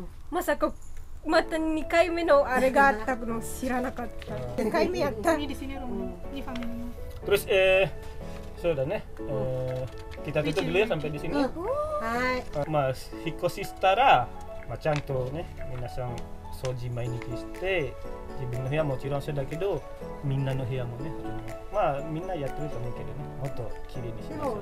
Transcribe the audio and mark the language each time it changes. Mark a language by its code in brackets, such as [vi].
[ja] Masako また2回目のあれがあったの知らなかった2回目やったいいですね、ロムいいファミリーとりあえず、そうだね [id] kita tutup dulu ya sampai di sini. [ja] はい。まあ、引っ越ししたら、まあ、ちゃんとね、皆さん掃除毎日して自分の部屋もちろんそうだけど、みんなの部屋もね、まあ、みんなやってると思うけどね、もっと綺麗にしましょう